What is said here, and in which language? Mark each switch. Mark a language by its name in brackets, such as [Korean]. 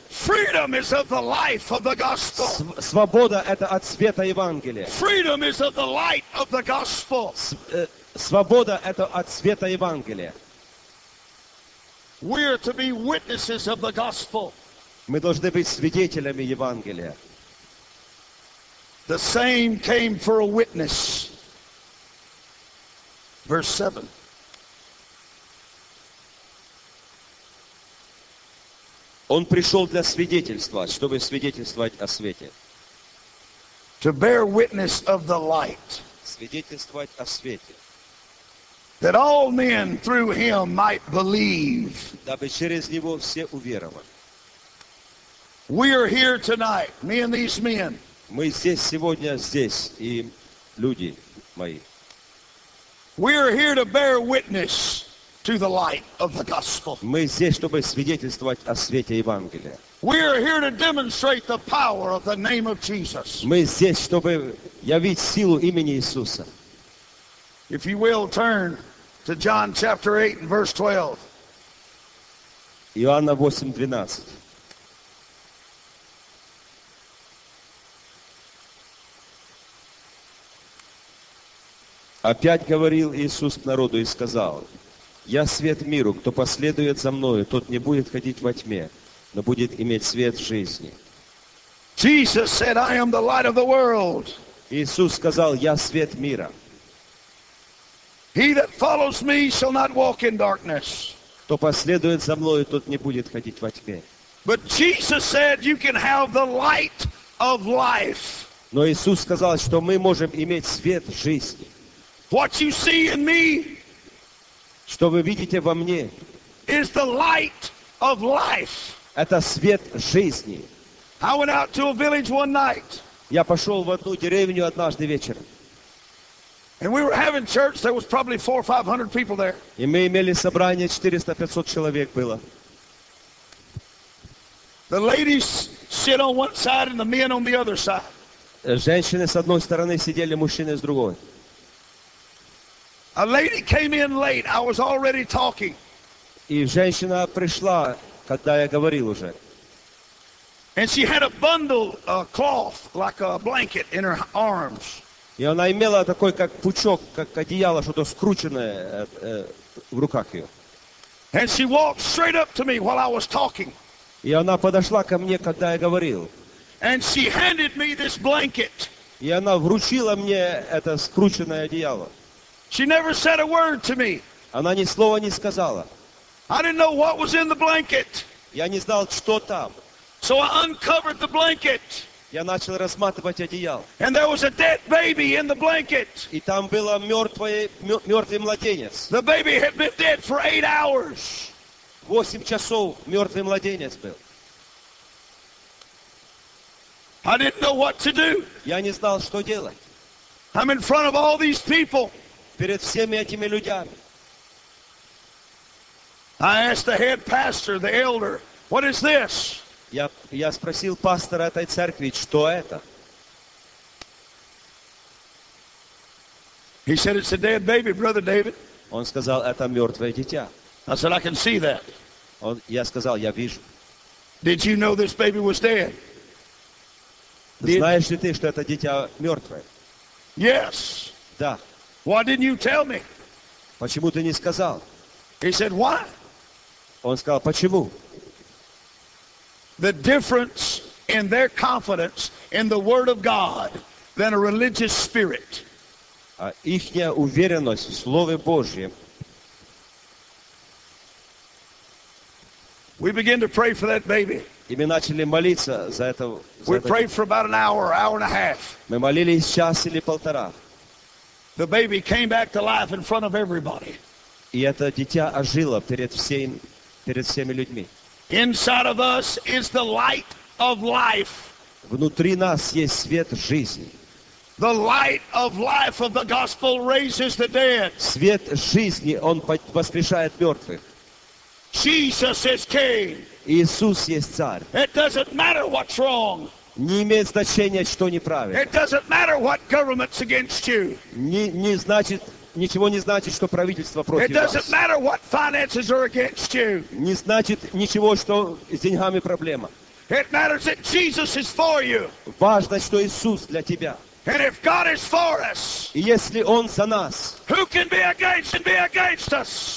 [English] Freedom is of the life of the gospel. [Russian] Свобода это от света Евангелия. [English] Freedom is of the light of the gospel. [Russian] Свобода это от света Евангелия. [English] We are to be witnesses of the gospel. [Russian] Мы должны быть свидетелями Евангелия. [English] The same came for a witness. Verse 7. [Russian] Он пришел для свидетельства, чтобы свидетельствовать о свете. [English] To bear witness of the light. [Russian] Свидетельствовать о свете. [English] That all men through him might believe. [Russian] Дабы через него все уверовали. [English] We are here tonight, me and these men. [Russian] Мы здесь сегодня, здесь, и люди мои. [English] We are here to bear witness to the light of the gospel. [Russian] Мы здесь, чтобы свидетельствовать о свете Евангелия. [English] We are here to demonstrate the power of the name of Jesus. [Russian] Мы здесь, чтобы явить силу имени Иисуса. [English] If you will, turn to John chapter 8 and verse 12. [Russian] Иоанна 8, 12. Опять говорил Иисус к народу и сказал: «Я свет миру, кто последует за Мною, тот не будет ходить во тьме, но будет иметь свет жизни». [English] Jesus said, I am the light of the world. [Russian] Иисус сказал: «Я свет мира». [English] He that follows me shall not walk in darkness. [Russian] Кто последует за Мною, тот не будет ходить во тьме. [English] But Jesus said, you can have the light of life. [Russian] Но Иисус сказал, что мы можем иметь свет жизни. [English] What you see in me, [Russian] что вы видите во мне, [English] is the light of life. [Russian] Это свет жизни. [English] I went out to a village one night. [Russian] Я пошел в одну деревню однажды вечером. [English] And we were having church. There was probably 400-500 people there. [Russian] И мы имели собрание, 400-500 человек было. [English] The ladies sit on one side and the men on the other side. [Russian] Женщины с одной стороны сидели, мужчины с другой. [English] A lady came in late. I was already talking. [Russian] И женщина пришла, когда я говорил уже. [English] And she had a bundle, a cloth, like a blanket in her arms. [Russian] И она имела такой, как пучок, как одеяло, что-то скрученное в руках ее. [English] And she walked straight up to me while I was talking. [Russian] И она подошла ко мне, когда я говорил. [English] And she handed me this blanket. [Russian] И она вручила мне это скрученное одеяло. [English] She never said a word to me. [Russian] Она ни слова не сказала. [English] I didn't know what was in the blanket. [Russian] Я не знал, что там. [English] So I uncovered the blanket. [Russian] Я начал разматывать одеяло. [English] And there was a dead baby in the blanket. [Russian] И там было мертвый младенец. [English] The baby had been dead for 8 hours. [Russian] 8 часов мертвый младенец был. [English] I didn't know what to do. [Russian] Я не знал, что делать. [English] I'm in front of all these people. [Russian] Перед всеми этими людьми. [English] I asked the head pastor, the elder, what is this? [Russian] Я спросил пастора этой церкви, что это? [English] He said, it's a dead baby, brother David. [Russian] Он сказал, это мертвое дитя. [English] I said, I can see that. [Russian] Я сказал, я вижу. [English] Did you know this baby was dead? [Russian] Знаешь ли ты, что это дитя мертвое? [English] Yes. [Russian] Да. [English] Why didn't you tell me? [Russian] Почему ты не сказал? [English] He said, why? [Russian] Он сказал, почему? [English] The difference in their confidence in the Word of God than a religious spirit. [Russian] А ихняя уверенность в Слове Божьем. [English] We begin to pray for that baby. [Russian] И мы начали молиться за это. [English] We prayed for about an hour, hour and a half. [Russian] Мы молились час или полтора. [English] The baby came back to life in front of everybody. [Russian] И это дитя ожило перед всеми людьми. [English] Inside of us is the light of life. [Russian] Внутри нас есть свет жизни. [English] The light of life of the gospel raises the dead. [Russian] Свет жизни, он воскрешает мертвых. [English] Jesus is king. [Russian] Иисус есть царь. [English] It doesn't matter what's wrong. [Russian] Не имеет значения, что неправильно. [English] It doesn't matter what government's against you. [Russian] Не значит, ничего не значит, что правительство против вас. [English] It doesn't matter what finances are against you. [Russian] Не значит ничего, что с деньгами проблема. [English] It matters that Jesus is for you. [Russian] Важно, что Иисус для тебя. [English] And if God is for us, [Russian] и если Он за нас, [English] who can be against and be against us?